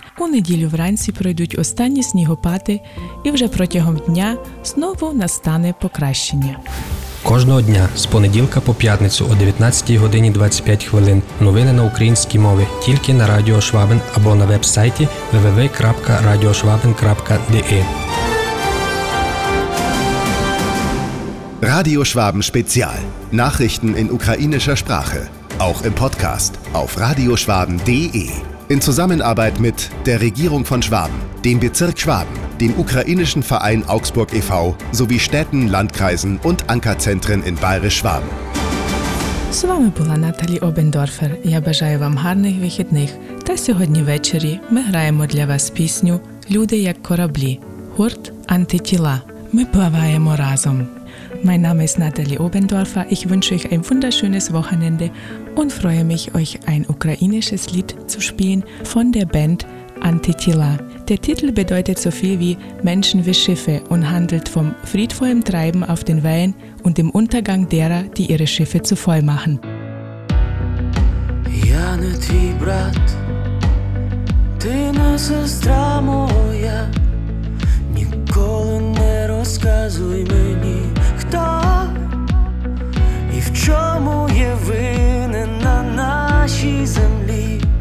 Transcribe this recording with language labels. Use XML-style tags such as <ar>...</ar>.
<uk>У неділю вранці пройдуть останні снігопади і вже протягом дня знову настане покращення. Кожного дня з понеділка по п'ятницю о 19 годині 25 хвилин новини на українській мові тільки на Радіо Швабен або на веб-сайті www.radioschwaben.de. Радіо Швабен спеціал.</uk> <de>Nachrichten in ukrainischer Sprache. Auch im Podcast auf radioschwaben.de. In Zusammenarbeit mit der Regierung von Schwaben, dem Bezirk Schwaben, dem ukrainischen Verein Augsburg e.V. sowie Städten, Landkreisen und Ankerzentren in Bayerisch-Schwaben.</de> <uk>З вами була Наталі Обендорфер. Я бажаю вам гарних вихідних. Та сьогодні ввечері ми граємо для вас пісню «Люди як кораблі» гурт «Антитіла». Ми плаваємо разом.</uk> <de>Mein Name ist Nathalie Obendorfer. Ich wünsche euch ein wunderschönes Wochenende und freue mich, euch ein ukrainisches Lied zu spielen von der Band Antitila. Der Titel bedeutet so viel wie Menschen wie Schiffe und handelt vom friedvollen Treiben auf den Wellen und dem Untergang derer, die ihre Schiffe zu voll machen.</de> <uk>Я не твій брат, ти не сестра моя, ніколи не розказуй мені. Хто і в чому є винен на нашій землі?</uk>